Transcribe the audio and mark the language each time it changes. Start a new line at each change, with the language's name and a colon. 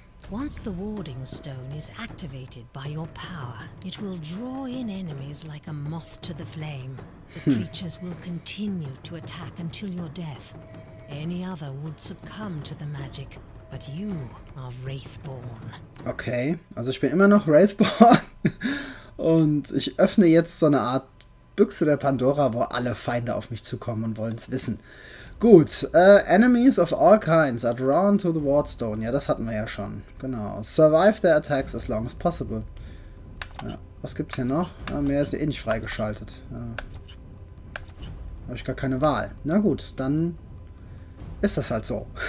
English: Once the Warding Stone is activated by your power, it will draw in enemies like a moth to the flame. The creatures will continue to attack until your death. Any other would succumb to the magic, but you are Wraithborn.
German: Okay, also ich bin immer noch Wraithborn. Und ich öffne jetzt so eine Art Büchse der Pandora, wo alle Feinde auf mich zukommen und wollen es wissen.
English: Gut, enemies of all kinds are drawn to the Wardstone.
German: Ja, das hatten wir ja schon. Genau.
English: Survive their attacks as long as possible.
German: Ja, was gibt's hier noch? Ja, mehr ist ja eh nicht freigeschaltet. Ja. Habe ich gar keine Wahl. Na gut, dann ist das halt so.